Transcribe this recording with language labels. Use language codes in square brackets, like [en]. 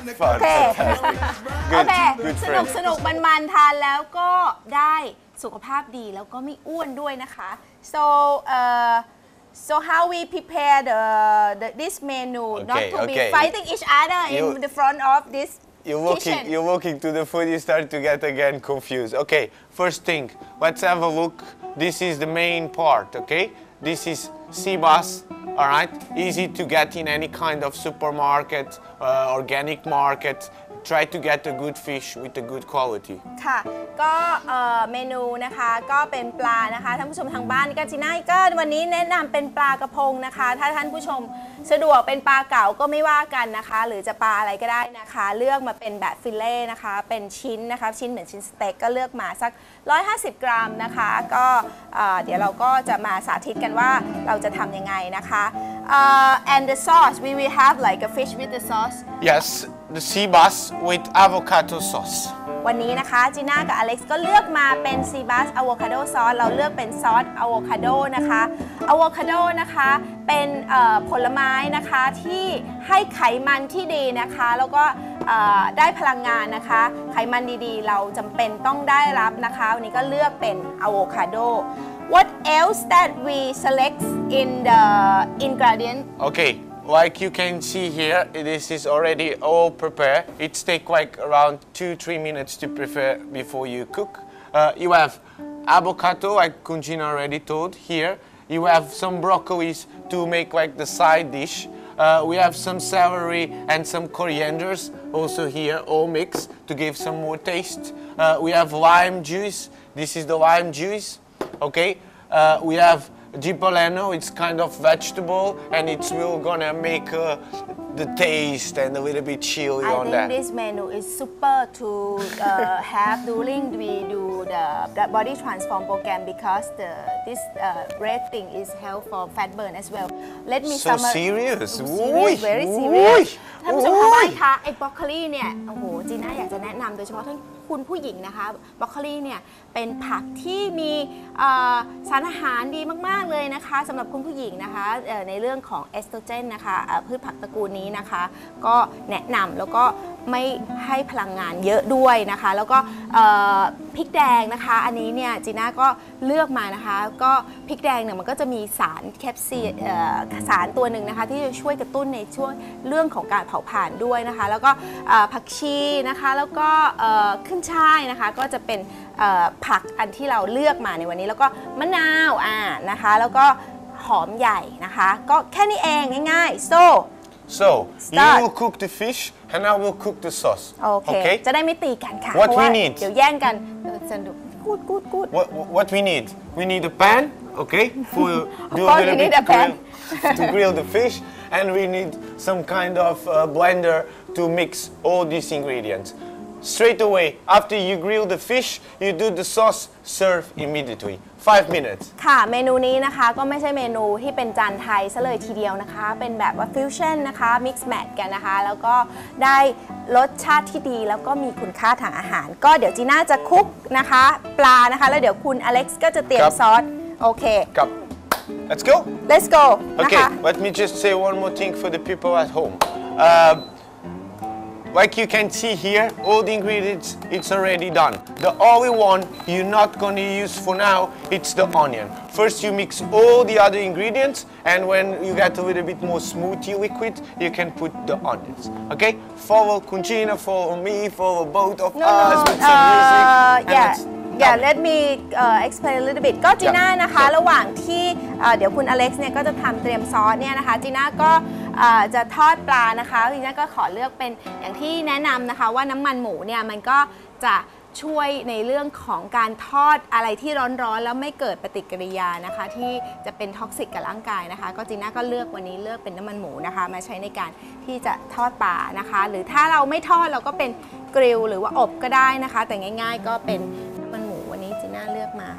[en] โอเค good [th] สนุกสนุกมันๆทานแล้วก็ได้สุขภาพดีแล้วก็ไม่อ้วนด้วยนะคะ [en] soSo how we prepare this menu not to be fighting each other in the front of this kitchen. You're walking to the food, you start to get again confused. Okay, first thing, let's have a look. This is the main part, okay? This is sea bass, all right? Easy to get in any kind of supermarket, organic market. Try to get a good fish with a good quality. [th] ค่ะก็เมนูนะคะก็เป็นปลานะคะท่านผู้ชมทางบ้านกาจีน่าก็วันนี้แนะนำเป็นปลากระพงนะคะถ้าท่านผู้ชมสะดวกเป็นปลาเก๋าก็ไม่ว่ากันนะคะหรือจะปลาอะไรก็ได้นะคะเลือกมาเป็นแบบฟิลเล่นะคะเป็นชิ้นนะคะชิ้นเหมือนชิ้นสเต็กก็เลือกมาสัก150กรัมนะคะก็เดี๋ยวเราก็จะมาสาธิตกันว่าเราจะทำยังไงนะคะ [en] and the sauce we will have like a fish with the sauce yes the sea bass with avocado sauce [th] วันนี้นะคะจีน่ากับอเล็กซ์ก็เลือกมาเป็นซีบัสอะโวคาโดซอสเราเลือกเป็นซอสอะโวคาโดนะคะอะโวคาโดนะคะเป็นผลไม้นะคะที่ให้ไขมันที่ดีนะคะแล้วก็ได้พลังงานนะคะไขมันดีๆเราจำเป็นต้องได้รับนะคะวันนี้ก็เลือกเป็นอะโวคาโด [en] What else that we select in the ingredient okayLike you can see here, this is already all prepared. It takes like around 2-3 minutes to prepare before you cook. You have avocado, like Kunjin already told here. You have some broccolis to make like the side dish. We have some celery and some corianders also here, all mixed to give some more taste. We have lime juice. This is the lime juice, okay? We have... Cipollino, it's kind of vegetable, and it's really gonna make the taste and a little bit chilly on that. I think this menu is super to have during we do the body transform program because this red thing is help for fat burn as well. Let me summarize. So serious? Serious, very serious. [th] ท่านผู้ชมทางบ้านคะไอ้บรอกโคลีเนี่ยโอ้โหจีน่าอยากจะแนะนำโดยเฉพาะท่านคุณผู้หญิงนะคะบรอกโคลีเนี่ยเป็นผักที่มีสารอาหารดีมากๆเลยนะคะสำหรับคุณผู้หญิงนะคะในเรื่องของเอสโตรเจนนะคะพืชผักตระกูลนี้นะคะก็แนะนำแล้วก็ไม่ให้พลังงานเยอะด้วยนะคะแล้วก็ พริกแดงนะคะอันนี้เนี่ยจีน่าก็เลือกมานะคะก็พริกแดงเนี่ยมันก็จะมีสารแคปซีสารตัวหนึ่งนะคะที่จะช่วยกระตุ้นในช่วงเรื่องของการเผาผลาญด้วยนะคะแล้วก็ผักชีนะคะแล้วก็ขึ้นช่ายนะคะก็จะเป็นผักอันที่เราเลือกมาในวันนี้แล้วก็มะนาวนะคะแล้วก็หอมใหญ่นะคะก็แค่นี้เองง่ายๆ so [en] you will cook the fish and I will cook the sauce [th] okay จะได้ไม่ตีกันค่ะ [en] what we need [th] เดี๋ยวแย่งกันสนุก good [en] what we need a pan okay for do a little bit grill to grill the fish and we need some kind of blender to mix all these ingredientsStraight away after you grill the fish you do the sauce serve immediately 5 minutes [th] ค่ะเมนูนี้นะคะก็ไม่ใช่เมนูที่เป็นจานไทยซะเลยทีเดียวนะคะเป็นแบบว่าฟิวชั่นนะคะมิกซ์แมทกันนะคะแล้วก็ได้รสชาติที่ดีแล้วก็มีคุณค่าทางอาหารก็เดี๋ยวจีน่าจะคุกนะคะปลานะคะแล้วเดี๋ยวคุณอเล็กซ์ก็จะเตรียมซอสโอเค [en] ครับ Let's go Let's go Okay [th] นะคะ [en] let me just say one more thing for the people at home Like you can see here, all the ingredients, it's already done. The only one you're not gonna use for now, it's the onion. First you mix all the other ingredients, and when you get a little bit more smoothie liquid, you can put the onions. Okay? Follow Kunjina, follow me, follow both of us with some music. Let me explain a little bit. [th] ก็จีน่านะคะระหว่างที่เดี๋ยวคุณอเล็กซ์เนี่ยก็จะทำเตรียมซอสเนี่ยนะคะจีน่าก็จะทอดปลานะคะทีนี้ก็ขอเลือกเป็นอย่างที่แนะนำนะคะว่าน้ำมันหมูเนี่ยมันก็จะ ช่วยในเรื่องของการทอดอะไรที่ร้อนๆแล้วไม่เกิดปฏิกิริยานะคะที่จะเป็นท็อกซิกกับร่างกายนะคะก็จีน่าก็เลือกวันนี้เลือกเป็นน้ำมันหมูนะคะมาใช้ในการที่จะทอดปลานะคะหรือถ้าเราไม่ทอดเราก็เป็นกริลหรือว่าอบก็ได้นะคะแต่ง่ายๆก็เป็นน้ำมันหมูวันนี้จีน่าเลือกมา